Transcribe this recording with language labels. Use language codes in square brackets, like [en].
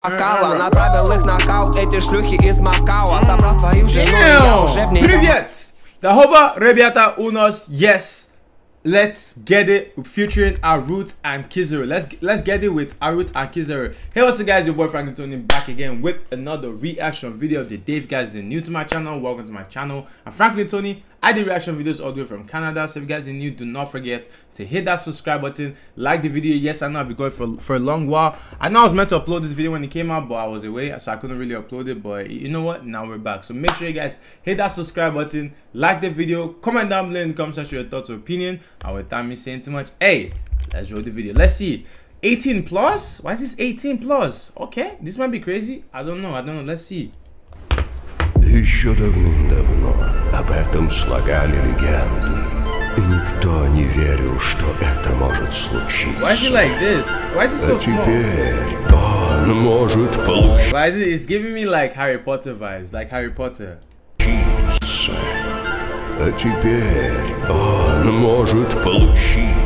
[ru] Бокалы, направил их нокаут, эти шлюхи из Макао. Забрал твою жену, я уже в ней. Привет! Здорово, ребята, у нас yes. [en] Let's get it featuring Arut and Kizaru. Let's get it with Arut and Kizaru. Hey, what's up, guys? Your boy Franklyn Tony back again with another reaction video. The Dave guys are new to my channel. Welcome to my channel. I'm Franklyn Tony. I do reaction videos all the way from Canada. So if you guys are new, do not forget to hit that subscribe button, like the video. Yes, I know I've been going for a long while. I know I was meant to upload this video when it came out, but I was away, so I couldn't really upload it. But you know what? Now we're back. So make sure you guys hit that subscribe button, like the video, comment down below in the comment section your thoughts or opinion. And without me saying too much, hey, let's roll the video. Let's see. 18 plus? Why is this 18 plus? Okay, this might be crazy. I don't know. Let's see. [ru] Еще давным-давно об этом слагали легенды, и никто не верил, что это может случиться. [en] Why is he like this? Why is he so small? [ru] А теперь он может получить. [en] Why is it? It's giving me like Harry Potter vibes, like Harry Potter. [ru] Учиться. А теперь он может получить.